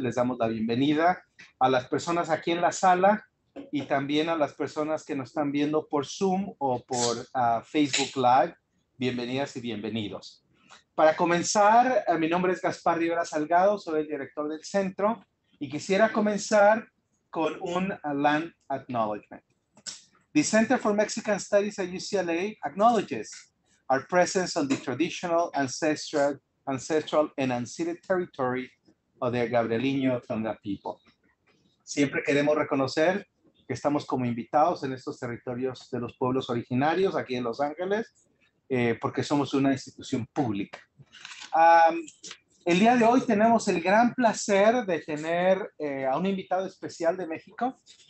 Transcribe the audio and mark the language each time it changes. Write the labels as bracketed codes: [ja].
[es] Les damos la bienvenida a las personas aquí en la sala y también a las personas que nos están viendo por Zoom o por Facebook Live. Bienvenidas y bienvenidos. Para comenzar, mi nombre es Gaspar Rivera Salgado, soy el director del centro y quisiera comenzar con un [en] land acknowledgement. The Center for Mexican Studies at UCLA acknowledges our presence on the traditional, ancestral, and unceded territory of the Gabrieleño-Tonga people. [es] Siempre queremos reconocer que estamos como invitados en estos territorios de los pueblos originarios aquí en Los Ángeles, porque somos una institución pública. El día de hoy tenemos el gran placer de tener a un invitado especial de México.